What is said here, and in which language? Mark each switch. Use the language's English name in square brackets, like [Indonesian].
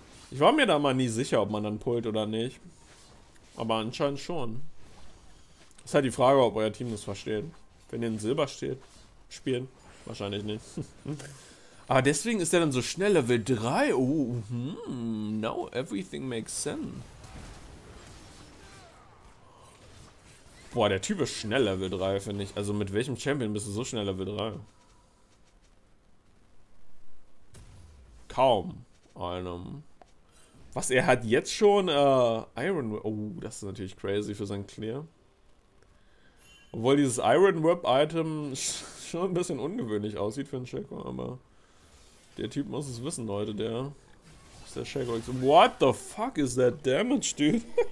[German] Ich war mir da mal nie sicher, ob man dann pullt oder nicht. Aber anscheinend schon. Ist halt die Frage, ob euer Team das versteht. Wenn ihr in Silber steht, spielen. Wahrscheinlich nicht. Aber deswegen ist er dann so schnell Level 3. [English] Oh, now everything makes sense. [German] Boah, der Typ ist schnell Level 3, finde ich. Also mit welchem Champion bist du so schnell Level 3? Kaum einem. Was, er hat jetzt schon Iron Whip. Oh, das ist natürlich crazy für sein Clear. Obwohl dieses Iron Whip-Item schon ein bisschen ungewöhnlich aussieht für einen Shaco, aber der Typ muss es wissen, Leute. Der ist der Shaco. [English] What the fuck is that damage, dude?